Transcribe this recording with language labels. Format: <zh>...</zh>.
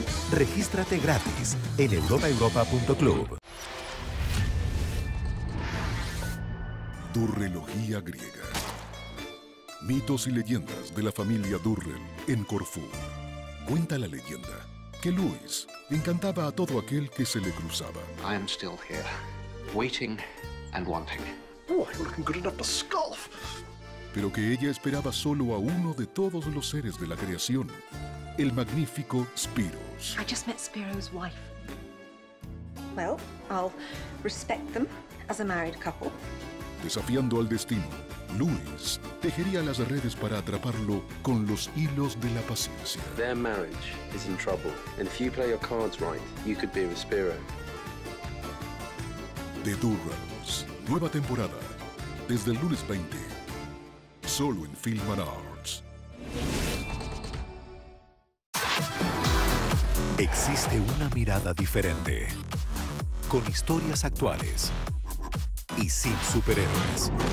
<es>Regístrate gratis en europaeuropa.club. Durrelogía griega. Mitos y leyendas de la familia Durrell en Corfú. Cuenta la leyenda que Luis encantaba a todo aquel que se le cruzaba.</es> <en>I am still here, waiting and wanting. Oh, you're looking good enough to scoff.</en> <es>Pero que ella esperaba solo a uno de todos los seres de la creación. El magnífico Spiros.</es> <en>I just met Spiro's wife. Well, I'll respect them as a married couple.</en> <es>Desafiando al destino, Luis tejería las redes para atraparlo con los hilos de la paciencia.</es> <en>Their marriage is in trouble, and if you play your cards right, you could be with Spiro.</en> <es>The Durrells, nueva temporada, desde el lunes 20, solo en Film and Arts. Existe una mirada diferente, con historias actuales y sin superhéroes.</es>